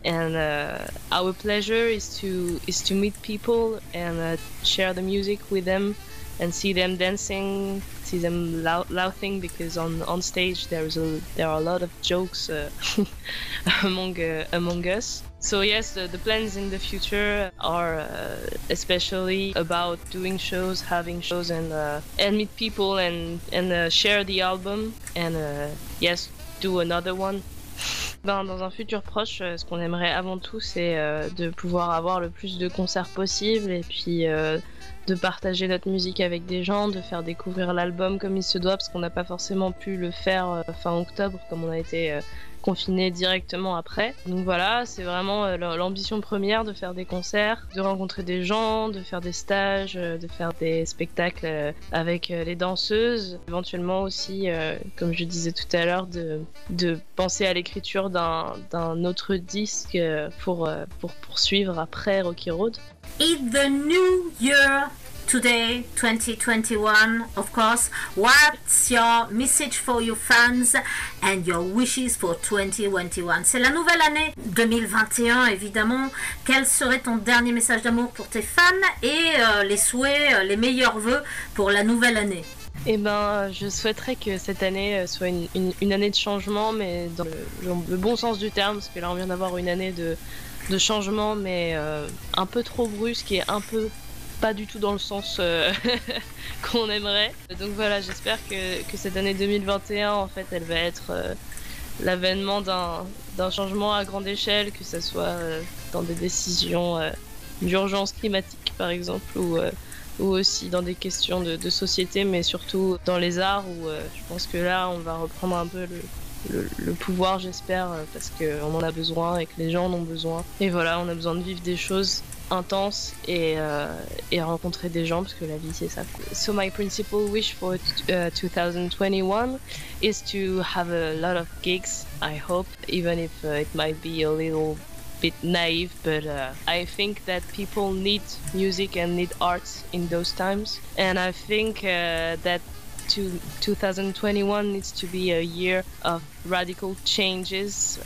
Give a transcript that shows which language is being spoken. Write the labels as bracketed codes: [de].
[en] And our pleasure is to meet people and share the music with them and see them dancing, see them laughing, because on stage there are a lot of jokes among us. So yes, the plans in the future are especially about doing shows, having shows, and meet people and share the album, and yes, do another one. [fr] Dans un futur proche, ce qu'on aimerait avant tout, c'est de pouvoir avoir le plus de concerts possible, et puis de partager notre musique avec des gens, de faire découvrir l'album comme il se doit, parce qu'on n'a pas forcément pu le faire fin octobre, comme on a été confiné directement après. Donc voilà, c'est vraiment l'ambition première, de faire des concerts, de rencontrer des gens, de faire des stages, de faire des spectacles avec les danseuses. Éventuellement aussi, comme je disais tout à l'heure, de penser à l'écriture d'un autre disque pour poursuivre après Rocky Road. [en] It's the new year today, 2021, of course. What's your message for your fans and your wishes for 2021? [fr] C'est la nouvelle année 2021, évidemment. Quel serait ton dernier message d'amour pour tes fans et les souhaits, les meilleurs vœux pour la nouvelle année? Eh ben, je souhaiterais que cette année soit une année de changement, mais dans le bon sens du terme, parce que là, on vient d'avoir une année de changement, mais un peu trop brusque et un peu pas du tout dans le sens qu'on aimerait. Donc voilà, j'espère que cette année 2021, en fait, elle va être l'avènement d'un changement à grande échelle, que ça soit dans des décisions d'urgence climatique, par exemple, ou aussi dans des questions de société, mais surtout dans les arts, où je pense que là, on va reprendre un peu le pouvoir, j'espère, parce qu'on en a besoin et que les gens en ont besoin. Et voilà, on a besoin de vivre des choses intenses et rencontrer des gens, parce que la vie, c'est ça. [en] So my principal wish for 2021 is to have a lot of gigs, I hope, even if it might be a little bit naive, but I think that people need music and need arts in those times. And I think that 2021 needs to be a year of radical changes.